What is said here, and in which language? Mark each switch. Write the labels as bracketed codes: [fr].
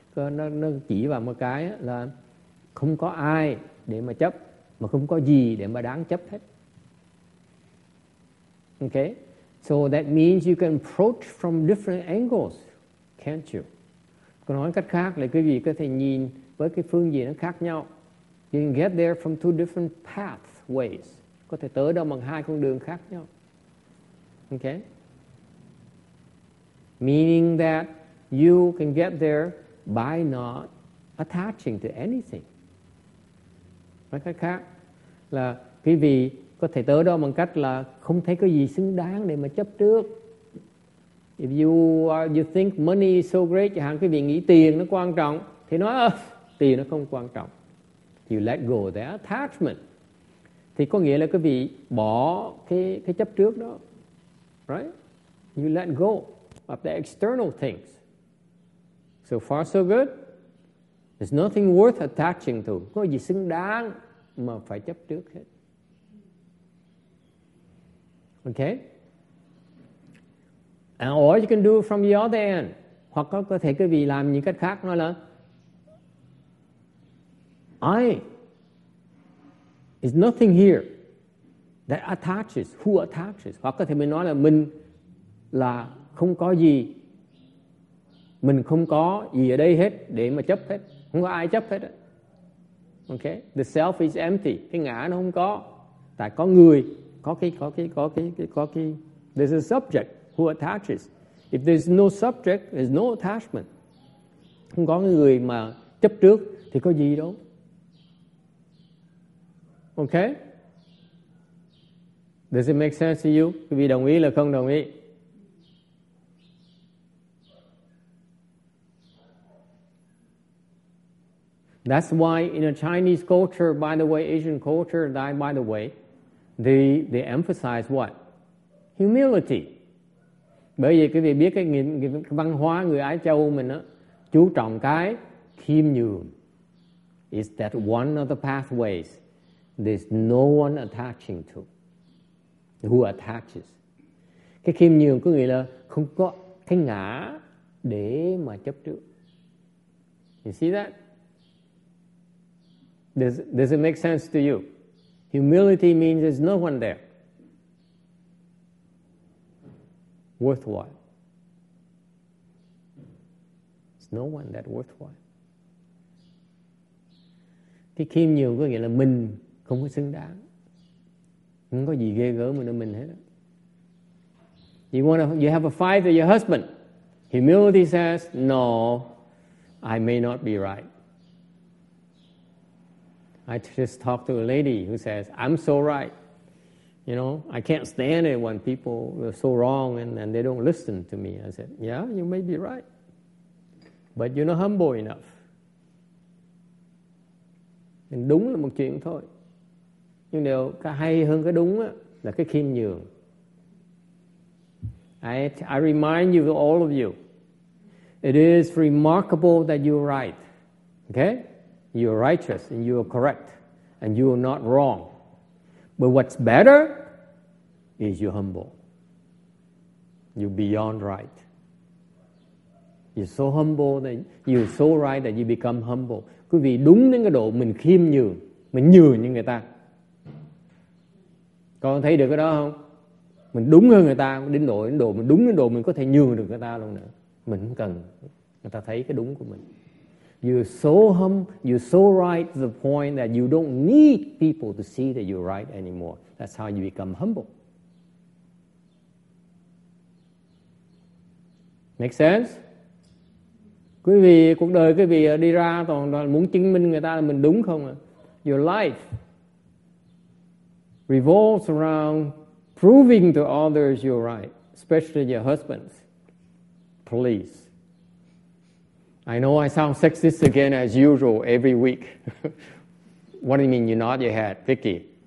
[vi] Nó chỉ vào một cái là không có ai để mà chấp, mà không có gì để mà đáng chấp hết. [en] Okay, so that means you can approach from different angles, can't you? [vi] Nói cách khác là quý vị có thể nhìn với cái phương diện nó khác nhau. [en] You can get there from two different pathways. [vi] Có thể tới đó bằng hai con đường khác nhau. [en] Okay? Meaning that you can get there by not attaching to anything. [vi] Nói cách khác là quý vị có thể tới đó bằng cách là không thấy có gì xứng đáng để mà chấp trước. [en] If you think money is so great, [vi] chẳng hạn quý vị nghĩ tiền nó quan trọng, thì nói tiền nó không quan trọng. [en] You let go of that attachment. [vi] Thì có nghĩa là quý vị bỏ cái chấp trước đó. [en] Right? You let go of the external things. So far so good. There's nothing worth attaching to. [vi] Có gì xứng đáng mà phải chấp trước hết. [en] Okay? And or you can do it from the other end. [vi] Hoặc có thể quý vị làm những cách khác nói là [en] there's nothing here that attaches. Who attaches? [vi] Hoặc có thể mình nói là mình là không có gì. Mình không có gì ở đây hết để mà chấp hết. Không có ai chấp hết. [en] Okay? The self is empty. [vi] Cái ngã nó không có. Tại có người, có cái. [en] There's a subject. Who attaches? If there's no subject, there's no attachment. [vi] Không có người mà chấp trước thì có gì đâu. [en] Okay? Does it make sense to you? [vi] Quý vị đồng ý là không đồng ý? [en] That's why in a Chinese culture, by the way, Asian culture, by the way, they emphasize what? Humility. [vi] Bởi vì quý vị biết cái văn hóa người Á Châu mình đó, chú trọng cái khiêm nhường. [en] Is that one of the pathways? There's no one attaching to. Who attaches? [vi] Cái khiêm nhường có nghĩa là không có cái ngã để mà chấp trước. [en] You see that? Does it make sense to you? Humility means there's no one there. Worthwhile. There's no one that worthwhile. [vi] Cái khiêm nhường có nghĩa là mình không có xứng đáng. Không có gì ghê gớm ở mình hết. [en] You have a fight with your husband. Humility says, no, I may not be right. I just talked to a lady who says, I'm so right. You know, I can't stand it when people are so wrong and they don't listen to me. I said, yeah, you may be right. But you're not humble enough. [vi] And đúng là một chuyện thôi. Nhưng điều cái hay hơn cái đúng á, là cái khiêm nhường. [en] I remind you, all of you, it is remarkable that you're right. Okay? You're righteous and you're correct and you're not wrong. But what's better is you're humble. You're beyond right. You're so humble that you're so right that you become humble. [vi] Quý vị đúng đến cái độ mình khiêm nhường, mình nhường như người ta. Con thấy được cái đó không? Mình đúng hơn người ta, đến độ mình đúng đến độ mình có thể nhường được người ta luôn nữa. Mình không cần người ta thấy cái đúng của mình. [en] You're so right to the point that you don't need people to see that you're right anymore. That's how you become humble. Make sense? [vi] Quý vị, cuộc đời quý vị đi ra toàn muốn chứng minh người ta là mình đúng không? [en] Your life revolves around proving to others you're right, especially your husbands. Please. I know I sound sexist again as usual every week. What do you mean you nod your head, Vicky?